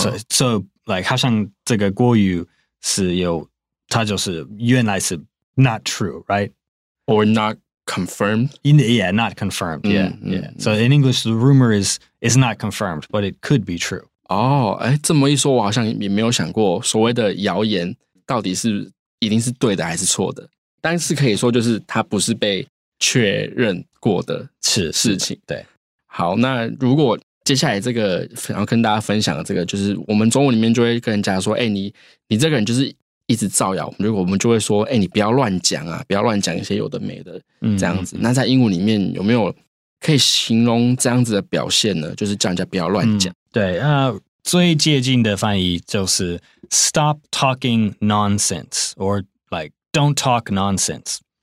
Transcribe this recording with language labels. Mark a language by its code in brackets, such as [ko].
[en] So like, [zh] 好像这个国语是有，它就是原来是 [en] not true, right? Or not confirmed? Not confirmed. Yeah, yeah. So in English, the rumor is not confirmed, but it could be true. [zh] 这么一说，我好像也没有想过所谓的谣言到底是一定是对的还是错的。但是可以说就是它不是被确认过的事情。对。好，那如果接下来这个想要跟大家分享的这个，就是我们中文里面就会跟人家说，你这个人就是一直造谣。如果我们就会说，你不要乱讲啊，不要乱讲一些有的没的这样子。那在英文里面有没有可以形容这样子的表现呢？就是叫人家不要乱讲。对，最接近的翻译就是 [en] stop talking nonsense or like don't talk nonsense。